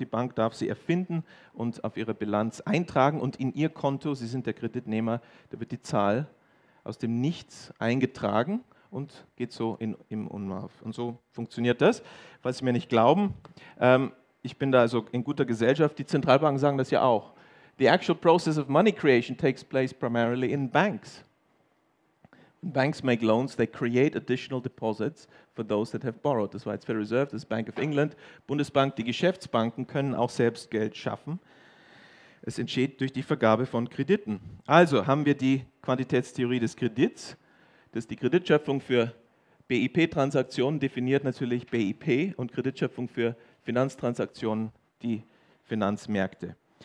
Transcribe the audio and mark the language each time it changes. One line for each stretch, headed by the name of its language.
German: Die Bank darf sie erfinden und auf ihre Bilanz eintragen und in ihr Konto, Sie sind der Kreditnehmer, da wird die Zahl aus dem Nichts eingetragen und geht so im Umlauf. Und so funktioniert das. Was Sie mir nicht glauben, ich bin da also in guter Gesellschaft, die Zentralbanken sagen das ja auch.
English: The actual process of money creation takes place primarily in banks. When banks make loans, they create additional deposits for those that have borrowed.
German: Das war jetzt Federal Reserve, das ist Bank of England, Bundesbank. Die Geschäftsbanken können auch selbst Geld schaffen. Es entsteht durch die Vergabe von Krediten. Also haben wir die Quantitätstheorie des Kredits. Das ist die Kreditschöpfung für BIP-Transaktionen, definiert natürlich BIP, und Kreditschöpfung für Finanztransaktionen, die Finanzmärkte.